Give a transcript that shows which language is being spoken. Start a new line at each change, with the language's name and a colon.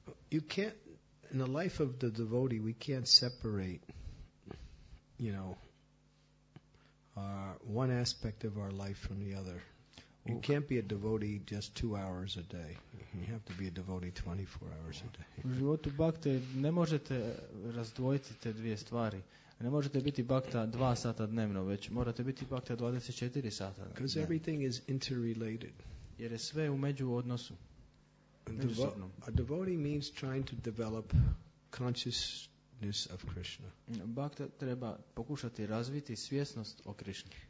English: You can't, in the life of the devotee, we can't separate, one aspect of our life from the other. You can't be a devotee just 2 hours a day. You have to be a devotee 24 hours a day.
Croatian: U životu bhakte ne možete razdvojiti te dvije stvari. Ne možete biti bhakta 2 sata dnevno, već morate biti bhakta 24 sata.
English: Because everything is interrelated.
Croatian: Jer je sve u međuodnosu.
English: A devotee means trying to develop consciousness of Krishna.
Croatian: Bhakta treba pokušati razviti svjesnost o Krishni.